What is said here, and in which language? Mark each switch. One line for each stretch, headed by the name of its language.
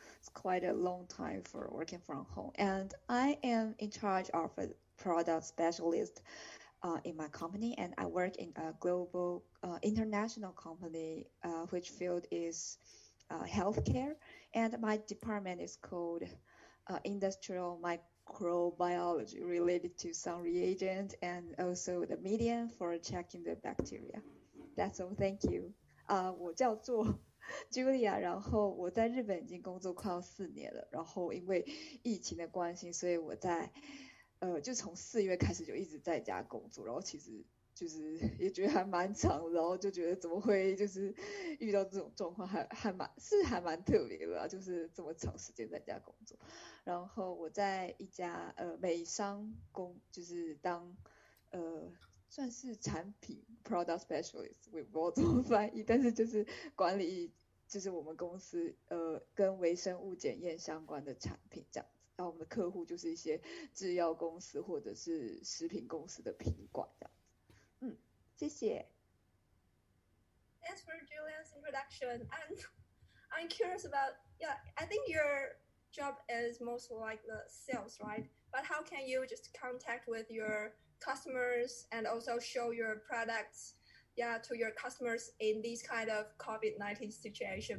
English: It's quite a long time for working from home. And I am in charge of a product specialist in my company, and I work in a global international company which field is healthcare. And my department is called industrial microbiology, related to some reagent and also the medium for checking the bacteria. That's all, thank you.
Chinese: 我叫做 Julia， 然后我在日本已经工作快要四年了，然后因为疫情的关系，所以我在就从四月开始就一直在家工作，然后其实就是也觉得还蛮长，然后就觉得怎么会就是遇到这种状况，还蛮特别的、啊，就是这么长时间在家工作。然后我在一家美商工，就是当算是产品 product specialist， 我也不知道怎么翻译，但是就是管理就是我们公司跟微生物检验相关的产品这样子。然后我们的客户就是一些制药公司或者是食品公司的品管这样。
English: Thanks for Julian's introduction. And I'm curious about, I think your job is most like the sales, right? But how can you just contact with your customers and also show your products, to your customers in this kind of COVID-19 situation?